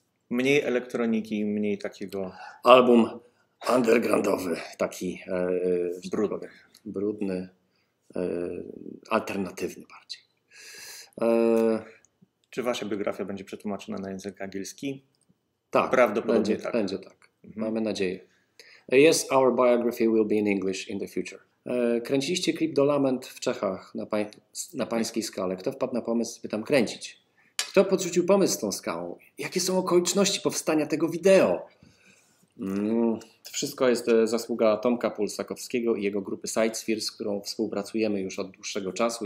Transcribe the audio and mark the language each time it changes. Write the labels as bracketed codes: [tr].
[pl] Mniej elektroniki, mniej takiego... Album undergroundowy, taki... Brudny. Brudny, alternatywny bardziej. Czy wasza biografia będzie przetłumaczona na język angielski? Tak. Prawdopodobnie będzie, tak. Będzie tak. Mhm. Mamy nadzieję. [en] Yes, our biography will be in English in the future. [pl] Kręciliście klip do Lament w Czechach na pańskiej skale. Kto wpadł na pomysł, by tam kręcić? Kto podrzucił pomysł z tą skałą? Jakie są okoliczności powstania tego wideo? To wszystko jest zasługa Tomka Pulsakowskiego i jego grupy Sidesphere, z którą współpracujemy już od dłuższego czasu.